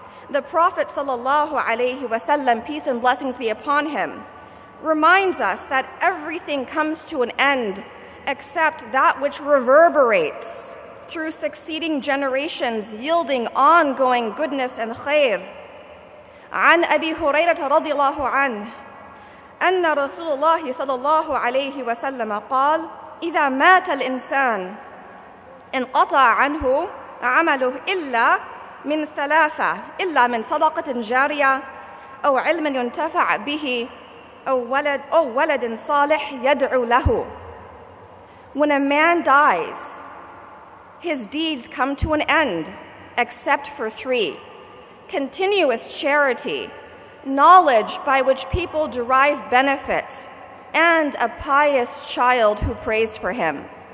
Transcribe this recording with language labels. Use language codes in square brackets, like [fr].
[en] The Prophet [ar] sallallahu alaihi wasallam, [en] peace and blessings be upon him, reminds us that everything comes to an end except that which reverberates through succeeding generations, yielding ongoing goodness and khair. [ar] عن أبي هريرة رضي الله عنه أن رسول الله صلى الله عليه وسلم قال إذا مات الإنسان انقطع عنه عمله إلا من ثلاثة إلا من صدقة جارية أو علم ينتفع به أو ولد صالح يدعو له. [en] When a man dies, his deeds come to an end, except for three: continuous charity, knowledge by which people derive benefit, and a pious child who prays for him.